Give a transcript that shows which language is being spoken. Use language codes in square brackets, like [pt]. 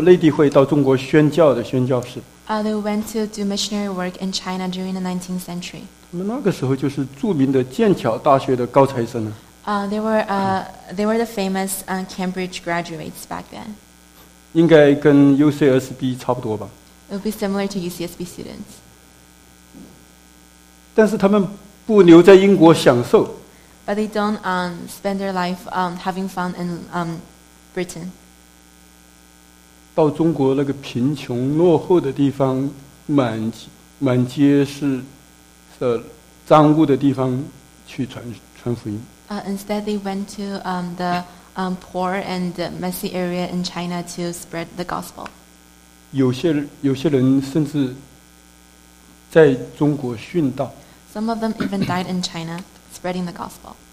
[zh] 他们是19世纪到参加中国内地会到中国宣教的宣教士。 [en] They went to do missionary work in China during the 19th century. [zh] 他们那个时候就是著名的剑桥大学的高材生呢。 [en] They were the famous Cambridge graduates back then. [zh] 应该跟 UCSB 差不多吧。 [en] It would be similar to UCSB students. [zh] 但是他们不留在英国享受。 [en] But they don't spend their life having fun in Britain. [zh] 到中国那个贫穷落后的地方，满街是脏污的地方去传福音。 [en] Instead, they went to the poor and messy area in China to spread the gospel. [zh] 有些人甚至在中国殉道。 [en] Some of them even died in China, spreading the gospel.